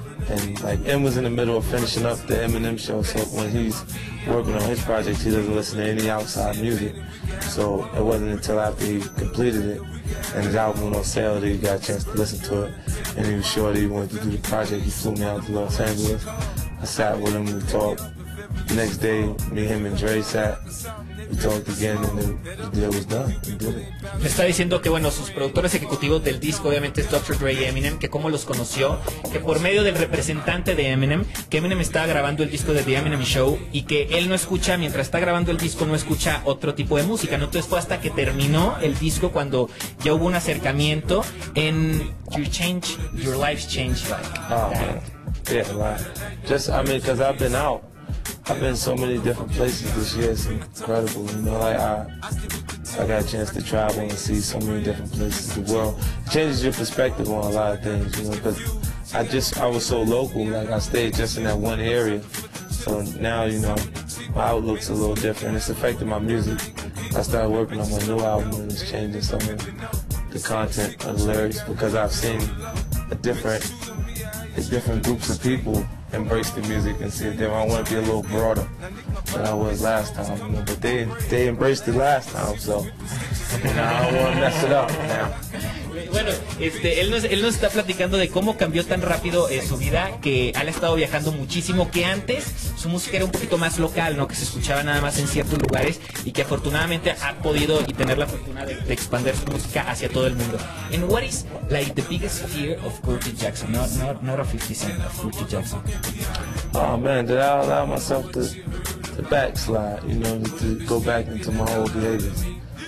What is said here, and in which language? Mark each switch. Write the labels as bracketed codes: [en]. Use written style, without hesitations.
[en] And like, Em was in the middle of finishing up the Eminem show, so when he's working on his project, he doesn't listen to any outside music. So it wasn't until after he completed it and his album went on sale that he got a chance to listen to it. And he was sure that he wanted to do the project. He flew me out to Los Angeles. I sat with him, we talked. The next day, me, him, and Dre sat. [es] Le está diciendo que, bueno, sus productores ejecutivos del disco, obviamente, es Dr. Dre y Eminem, que cómo los conoció, que por medio del representante de Eminem, que Eminem estaba grabando el disco de The Eminem Show, y que él no escucha, mientras está grabando el disco, no escucha otro tipo de música, ¿no? Entonces fue hasta que terminó el disco, cuando ya hubo un acercamiento. [en] En you change, your life changed like that. Yeah, a lot. Just, I mean, because I've been out. I've been so many different places this year. It's incredible, you know. I got a chance to travel and see so many different places in the world. It changes your perspective on a lot of things, you know, because I was so local, like I stayed just in that one area. So now, you know, my outlook's a little different. It's affected my music. I started working on my new album and it's changing some of the content of the lyrics because I've seen different groups of people embrace the music and see it different. I want to be a little broader than I was last time, you know, but they embraced it last time, so now I don't want to mess it up now. [es] Bueno, él nos está platicando de cómo cambió tan rápido su vida, que ha estado viajando muchísimo, que antes su música era un poquito más local, ¿no? Que se escuchaba nada más en ciertos lugares y que afortunadamente ha podido y tener la fortuna de expandir su música hacia todo el mundo. [en] And what is like the biggest fear of Curtis Jackson? Not of 50 Cent, of Curtis Jackson. Oh man, did I allow myself to backslide, you know, to go back into my old behaviors?